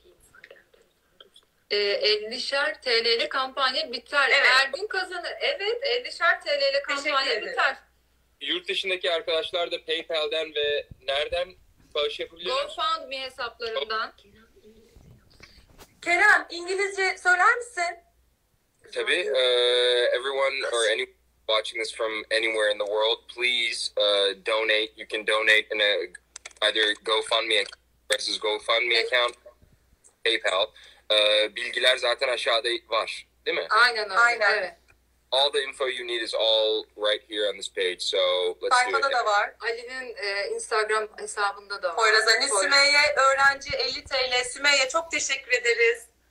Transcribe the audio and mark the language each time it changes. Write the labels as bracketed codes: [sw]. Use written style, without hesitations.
[tr] iyi. 50'şer TL'li kampanya biter. Evet. Ergün kazanır. Evet, 50'şer TL'li kampanya biter. Yurt dışındaki arkadaşlar da PayPal'den ve nereden bağış yapabiliyor? GoFundMe hesaplarından. Kerem, İngilizce söyler misin? Tabii. [en] Everyone or anyone watching this from anywhere in the world, please donate. You can donate in a either GoFundMe versus GoFundMe account, PayPal. [tr] Bilgiler zaten aşağıda var, değil mi? Aynen öyle. Aynen. Evet. [en] All the info you need is all right here on this page. So let's [tr] sayfada [en] do it. [tr] Da var. Ali'nin Instagram hesabında da var. Poyraz Ali, Sümeyye öğrenci 50 TL. Sümeyye çok teşekkür ederiz.